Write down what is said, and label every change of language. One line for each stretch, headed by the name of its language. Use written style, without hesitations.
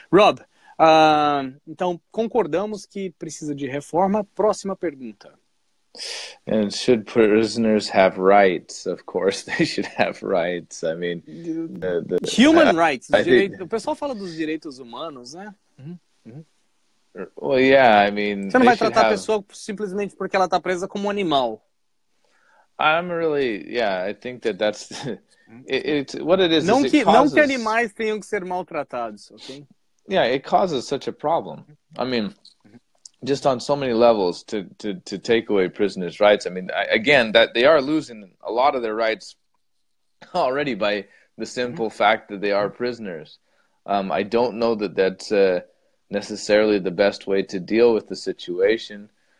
Portuguese: Rob, então concordamos que precisa de reforma. Próxima pergunta.
English: And should prisoners have rights? Of course they should have rights. I mean, human rights.
Portuguese: O pessoal fala dos direitos humanos, né? Uhum.
English: Well, yeah, I mean...
Portuguese: Você não vai tratar a pessoa simplesmente porque ela está presa como um animal.
English: I'm really... Yeah, I think that that's... what it is...
Portuguese: Não que animais tenham que ser maltratados, ok?
English: Yeah, it causes such a problem. I mean, just on so many levels to take away prisoners' rights. I mean, again, that they are losing a lot of their rights already by the simple fact that they are prisoners. I don't know that that's... necessarily the best way to deal with the situation.